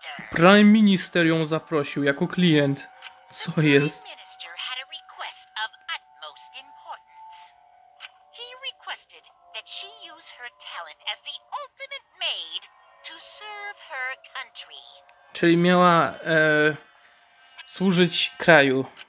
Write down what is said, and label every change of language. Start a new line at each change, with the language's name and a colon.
Polish: Prime Minister ją zaprosił jako klient. Co jest?
English: Prime Minister had a request of utmost importance. He requested that she use her talent as the ultimate maid to serve her country.
Polish: Czyli miała służyć kraju.